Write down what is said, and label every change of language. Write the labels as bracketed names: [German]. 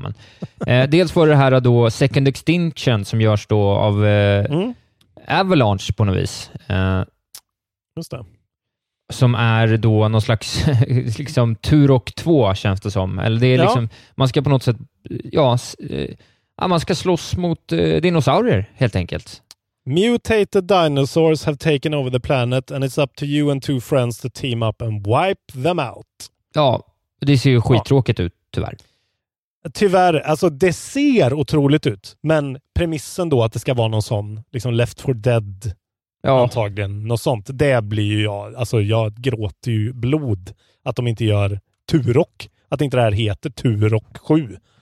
[Swedish] Men, dels var det här då Second Extinction som görs då av Avalanche på något vis. Just det. Som är då någon slags liksom Turok 2 känns det som. Eller det är liksom, man ska på något sätt... Ja, man ska slåss mot dinosaurier, helt enkelt. [English] Mutated dinosaurs have taken over the planet and it's up to you and 2 friends to team up and wipe them out. [Swedish] Ja, det ser ju skittråkigt ut tyvärr. Tyvärr, alltså det ser otroligt ut, men premissen då att det ska vara någon sån liksom Left 4 Dead, ja, antagligen något sånt, det blir ju jag, alltså jag gråter ju blod att de inte gör Turok, att inte det här heter Turok 7.